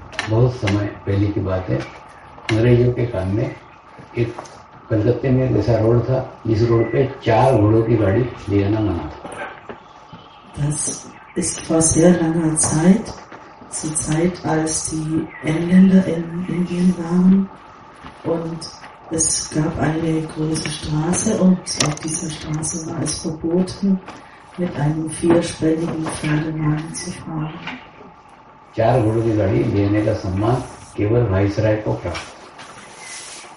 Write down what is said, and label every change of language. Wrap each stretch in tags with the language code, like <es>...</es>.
<hi>बहुत समय पहले की बात है, अंग्रेजों के काम में एक कलकत्ते में एक ऐसा रोड था जिस रोड पे चार घोड़ों की गाड़ी ले आना मना था।</hi> <de>Zur Zeit, als die Engländer in Indien waren und es gab eine große Straße und auf dieser Straße war es verboten, mit einem vierspännigen Pferdewagen zu fahren.</de> <hi>चार घोड़ों की गाड़ी लेने का सम्मान केवल वाइसराय को प्राप्त।</hi>